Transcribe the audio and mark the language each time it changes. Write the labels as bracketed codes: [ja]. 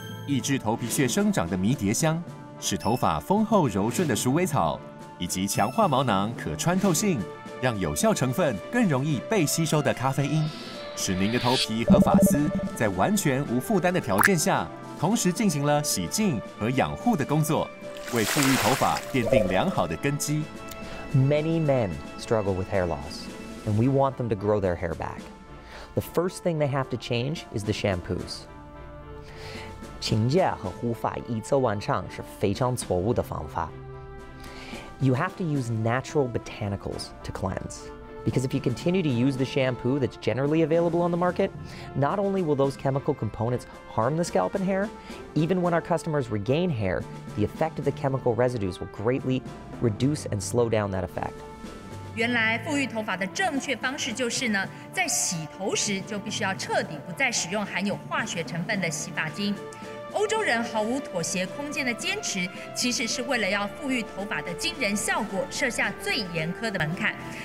[zh] 抑制头皮屑生长的迷迭香，使头发丰厚柔顺的鼠尾草，以及强化毛囊可穿透性，让有效成分更容易被吸收的咖啡因，使您的头皮和发丝在完全无负担的条件下，同时进行了洗净和养护的工作，为富裕头发奠定良好的根基。 [en] Many men struggle with hair loss, and we want them to grow their hair back. The first thing they have to change is the shampoos. [zh] 清洁和护发一次完成是非常错误的方法。 [en] You have to use natural botanicals to cleanse, because if you continue to use the shampoo that's generally available on the market, not only will those chemical components harm the scalp and hair, even when our customers regain hair, the effect of the chemical residues will greatly reduce and slow down that effect. [zh] 原来富裕头发的正确方式就是呢，在洗头时就必须要彻底不再使用含有化学成分的洗发精。欧洲人毫无妥协空间的坚持，其实是为了要馥郁头发的惊人效果，设下最严苛的门槛。